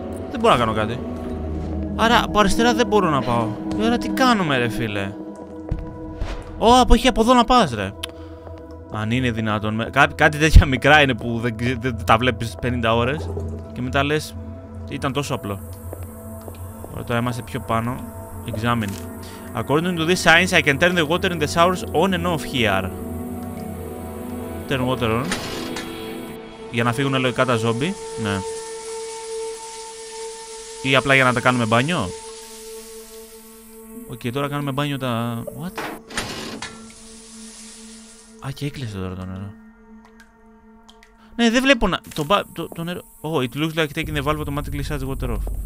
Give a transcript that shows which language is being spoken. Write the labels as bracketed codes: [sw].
[el] Δεν μπορώ να κάνω κάτι. Άρα από αριστερά δεν μπορώ να πάω. Άρα τι κάνουμε, ρε φίλε? Ω, από εκεί, από εδώ να πας, ρε. Αν είναι δυνατόν. Κάτι τέτοια μικρά είναι που δεν τα βλέπεις 50 ώρες και μετά λες, ήταν τόσο απλό. Τώρα είμαστε πιο πάνω. [en] Examine. According to this science, I can turn the water in the showers on and off here. Turn water on. [el] Για να φύγουν λογικά τα ζόμπι. Ναι. Ή απλά για να τα κάνουμε μπάνιο. Οκ, okay, τώρα κάνουμε μπάνιο τα... [en] What? [el] Α, και έκλεισε τώρα το νερό. Ναι, δεν βλέπω να... Το νερό... [en] Oh, it looks like taking the valve automatically shuts the water off.